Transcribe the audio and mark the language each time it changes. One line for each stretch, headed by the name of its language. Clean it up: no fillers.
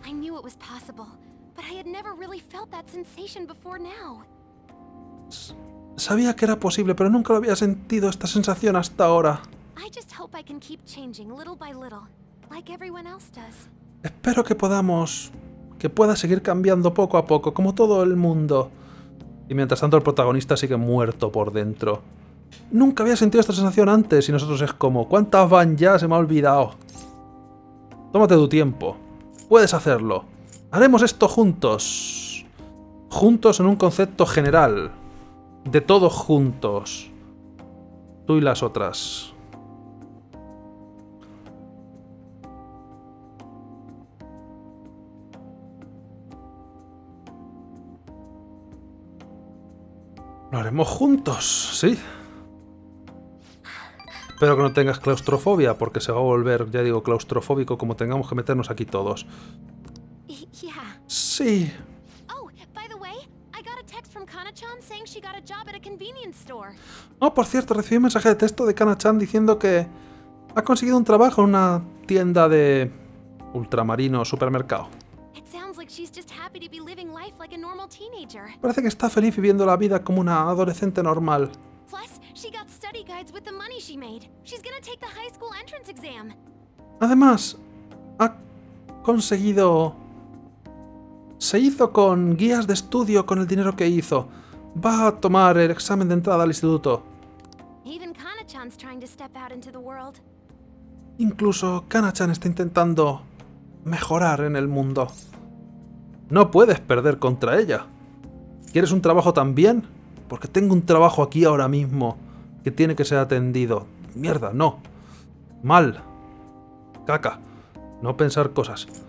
English: I knew it was possible, but I had never really felt that sensation before now.
Spanish: Sabía que era posible, pero nunca lo había sentido esta sensación hasta ahora.
English: I just hope I can keep changing little by little, like everyone else does.
Spanish: Espero que podamos que pueda seguir cambiando poco a poco, como todo el mundo. Y mientras tanto el protagonista sigue muerto por dentro. Nunca había sentido esta sensación antes y nosotros es como, ¿cuántas van ya? Se me ha olvidado. Tómate tu tiempo. Puedes hacerlo. Haremos esto juntos. Juntos en un concepto general. De todos juntos. Tú y las otras. Lo haremos juntos, ¿sí? Espero que no tengas claustrofobia, porque se va a volver, ya digo, claustrofóbico como tengamos que meternos aquí todos. Sí.
English: Oh, by the way, I got a text from Kana-chan saying she got a job at a convenience store.
Spanish: Oh, por cierto, recibí un mensaje de texto de Kana-chan diciendo que ha conseguido un trabajo en una tienda de ultramarino supermercado.
English: She's just happy to be living life like a normal teenager.
Spanish: Parece que está feliz viviendo la vida como una adolescente normal.
English: Plus, she got study guides with the money she made. She's gonna take the high school entrance exam.
Spanish: Además, ha conseguido. Se hizo con guías de estudio con el dinero que hizo. Va a tomar el examen de entrada al instituto.
English: Even Kana-chan's trying to step out into the world.
Spanish: Incluso Kana-chan está intentando mejorar en el mundo. No puedes perder contra ella. ¿Quieres un trabajo también? Porque tengo un trabajo aquí ahora mismo que tiene que ser atendido. Mierda, no. Mal. Caca. No pensar cosas.